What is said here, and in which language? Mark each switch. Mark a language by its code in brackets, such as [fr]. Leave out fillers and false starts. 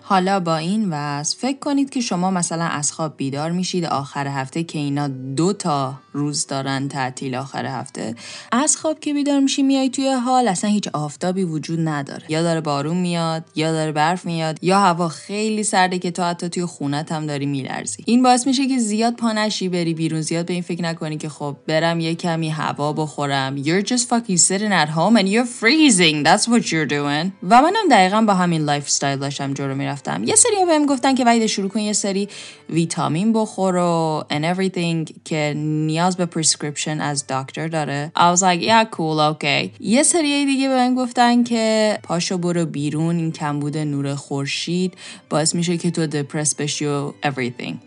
[fa] حالا با این وضع فکر کنید که شما مثلا از خواب بیدار میشید آخر هفته که اینا دو تا روز دارن تعطیل آخر هفته، از خواب که بیدار میشی میای توی حال اصلا هیچ آفتابی وجود نداره، یا داره بارون میاد یا داره برف میاد یا هوا خیلی سرده که تو حتی توی خونت هم داری میلرزی. این باعث میشه که زیاد پانشی بری بیرون، زیاد به این فکر نکنی که خب برم یه کمی هوا بخورم. [en] You're just fucking sitting at home and you're freezing. That's what you're doing. [fa] و منم دقیقاً با همین لایف استایل داشتم جلو میرفتم. یه سری بهم گفتن که وحید شروع کن یه سری ویتامین بخور و [en] and everything [fa] که نیاز به پرسکریپشن از دکتر داره. [en] I was like yeah cool okay. [fa] یه سری دیگه بهم گفتن که پاشو برو بیرون، این کمبود نور خورشید باعث میشه که تو دپرس بشی و everything.